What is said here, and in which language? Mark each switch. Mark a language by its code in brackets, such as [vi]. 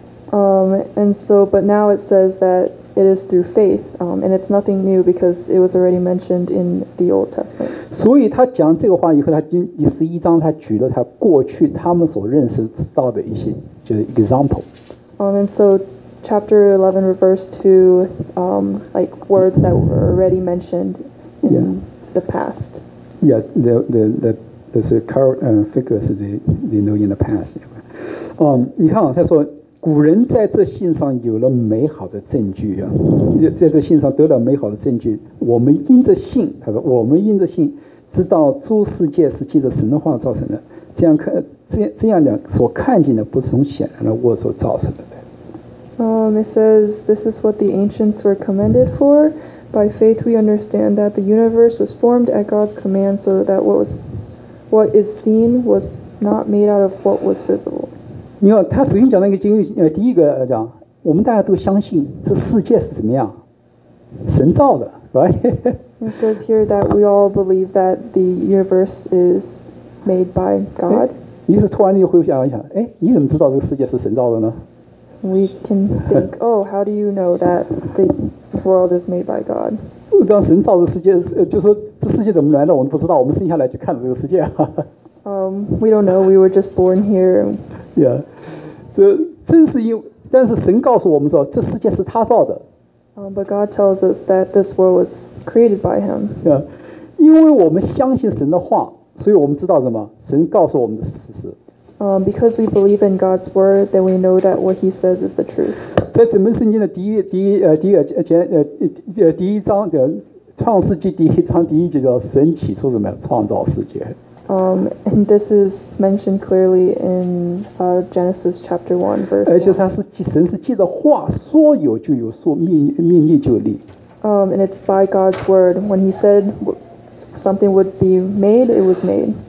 [en] And so, but now it says that it is through faith, and it's nothing new because it was already mentioned in the Old Testament. [zh] 所以他讲这个话以后，他第十一章他举了他过去他们所认识知道的一些就是 example。 [en] And so chapter 11 refers to like words that were already mentioned. Yeah, the figures they know in the past. [zh] 你看啊，他说古人在这信上有了美好的证据啊，在这信上得了美好的证据。我们因着信，他说我们因着信知道诸世界是借着神的话造成的。这样讲，所看见的不是从显然的物所造成的。 [en] It says this is what the ancients were commended for. By faith, we understand that the universe was formed at God's command, so that what is seen was not made out of what was visible. [zh] 你看，他首先讲那个经历，第一个讲，我们大家都相信这世界是怎么样，神造的 ， [en] right? It says here that we all believe that the universe is made by God. [zh] 你就突然就会想一想，哎，你怎么知道这个世界是神造的呢？ [en] We can think, oh, how do you know that the world is made by God? [zh] 当神造的世界，就说这世界怎么来的，我们不知道。我们生下来就看着这个世界。 [en] We don't know. We were just born here. Yeah, [zh] 这正是因，但是神告诉我们说，这世界是他造的。 [en] But God tells us that this world was created by Him. Yeah, [zh] 因为我们相信神的话，所以我们知道什么？神告诉我们的事实。 [en] Because we believe in God's word, then we know that what He says is the truth. [zh] 在整本圣经的第一章的创世纪第一章第一节叫神起初怎么样创造世界。 [en] And this is mentioned clearly in Genesis chapter 1, verse [zh] 1. 而且神是借着话说有就有说命立就立。 [en] And it's by God's word. When He said something would be made, it was made.